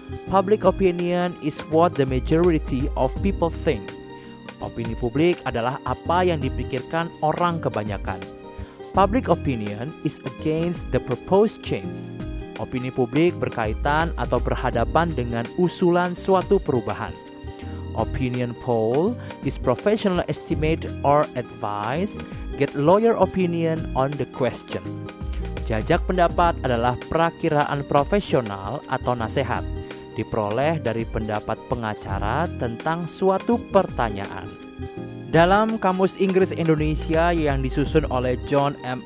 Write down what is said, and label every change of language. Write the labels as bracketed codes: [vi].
[en] Public opinion is what the majority of people think. [id] Opini publik adalah apa yang dipikirkan orang kebanyakan. [en] Public opinion is against the proposed change. [id] Opini publik berkaitan atau berhadapan dengan usulan suatu perubahan. [en] Opinion poll is professional estimate or advice. Get lawyer opinion on the question. [id] Jajak pendapat adalah prakiraan profesional atau nasihat, diperoleh dari pendapat pengacara tentang suatu pertanyaan. Dalam Kamus Inggris Indonesia yang disusun oleh John M.